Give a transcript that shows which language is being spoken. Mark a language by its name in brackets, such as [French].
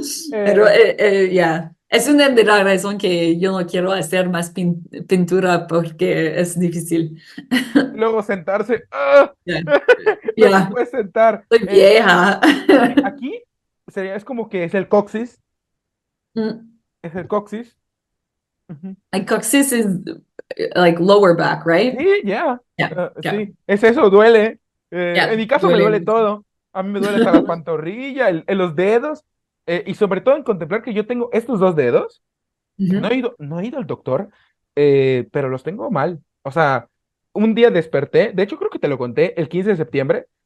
[Spanish] Pero es una de las razones que yo no quiero hacer más pintura porque es difícil. Luego sentarse. ¡Ah! No te puedes sentar. Soy vieja. Sí, aquí sería, es como que es el coxis. Es el coxis. [English] Like coccis is like lower back, right? [Spanish] Sí, ya. Sí, es eso, duele. En mi caso me Duele duele mucho. todo. A mí me duele hasta la pantorrilla, los dedos. Y sobre todo en contemplar que yo tengo estos dos dedos, que no he ido al doctor, pero los tengo mal. O sea, un día desperté, de hecho creo que te lo conté, el 15 de septiembre.